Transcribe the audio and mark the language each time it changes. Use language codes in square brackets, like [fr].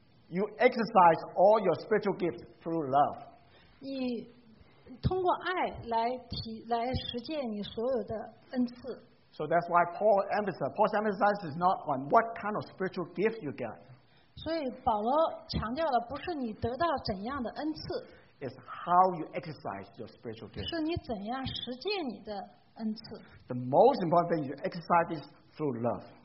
[en] You exercise all your spiritual gifts through love. [zh] 你通过爱来实践你所有的恩赐。 [en] So that's why Paul's emphasis is not on what kind of spiritual gift you get. [zh] 所以保罗强调的不是你得到怎样的恩赐。 [en] It's how you exercise your spiritual gift. [zh] 是你怎样实践你的恩赐。 [en] The most important thing is you exercise this through love.